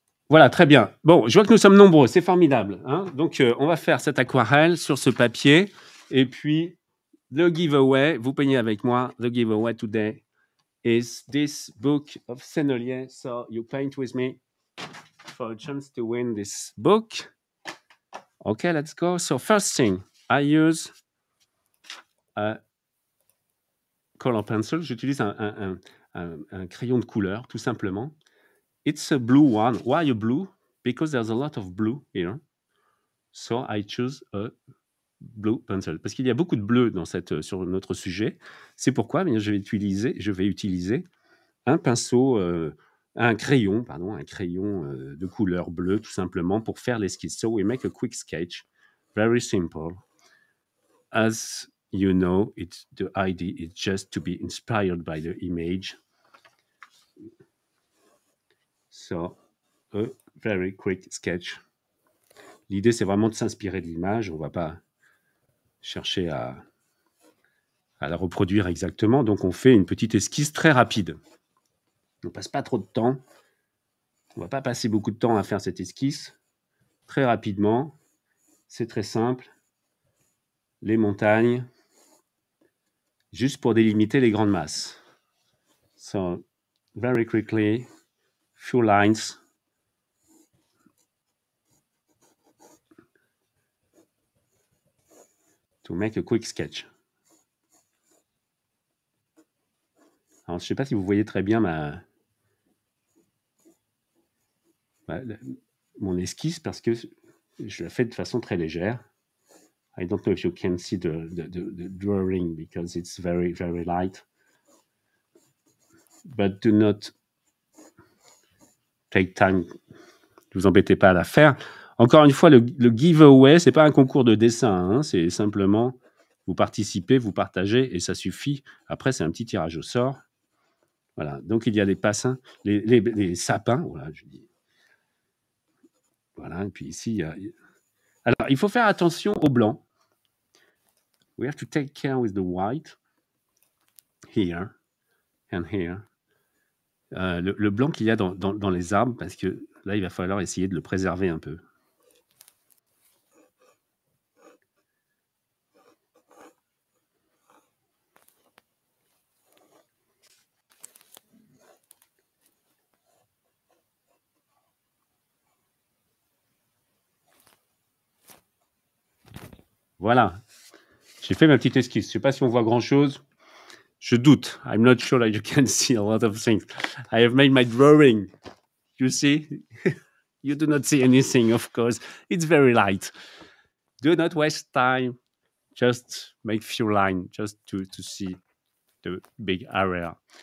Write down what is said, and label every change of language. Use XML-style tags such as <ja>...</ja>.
<fr>Voilà, très bien. Bon, je vois que nous sommes nombreux. C'est formidable. Hein, donc, on va faire cette aquarelle sur ce papier. Et puis, le giveaway, vous peignez avec moi,</fr> <en>the giveaway today is this book of Sennelier. So, you paint with me for a chance to win this book. Okay, let's go. So, first thing, I use a color pencil.</en> <fr>J'utilise un crayon de couleur, tout simplement.</fr> <en>It's a blue one. Why a blue? Because there's a lot of blue here. So, I choose a blue pencil.</en> <fr>Parce qu'il y a beaucoup de bleu dans cette, sur notre sujet. C'est pourquoi je vais utiliser un pinceau, un crayon de couleur bleue, tout simplement, pour faire l'esquisse.</fr> <en>So we make a quick sketch. Very simple. As you know, the idea is just to be inspired by the image. So, a very quick sketch.</en> <fr>L'idée, c'est vraiment de s'inspirer de l'image. On va pas chercher à la reproduire exactement. Donc, on fait une petite esquisse très rapide. On ne passe pas trop de temps. On ne va pas passer beaucoup de temps à faire cette esquisse. Très rapidement, c'est très simple. Les montagnes, juste pour délimiter les grandes masses.</fr> <en>So, very quickly, few lines. To make a quick sketch.</en> <fr>Alors, je ne sais pas si vous voyez très bien mon esquisse parce que je la fais de façon très légère.</fr> <en>I don't know if you can see the drawing because it's very very light. But do not take time.</en> <fr>Ne vous embêtez pas à la faire. Encore une fois, le giveaway, ce n'est pas un concours de dessin. Hein, c'est simplement, vous participez, vous partagez, et ça suffit. Après, c'est un petit tirage au sort. Voilà, donc il y a les passins, les sapins. Voilà, je dis. Voilà, et puis ici, il y a... Alors, il faut faire attention au blanc.</fr> <en>We have to take care with the white. Here, and here.</en> <fr>Le blanc qu'il y a dans les arbres, parce que là, il va falloir essayer de le préserver un peu. Voilà, j'ai fait ma petite esquisse. Je ne sais pas si on voit grand-chose. Je doute.</fr> <en>I'm not sure that you can see a lot of things. I have made my drawing. You see? You do not see anything, of course. It's very light. Do not waste time. Just make few lines just to see the big area.</en>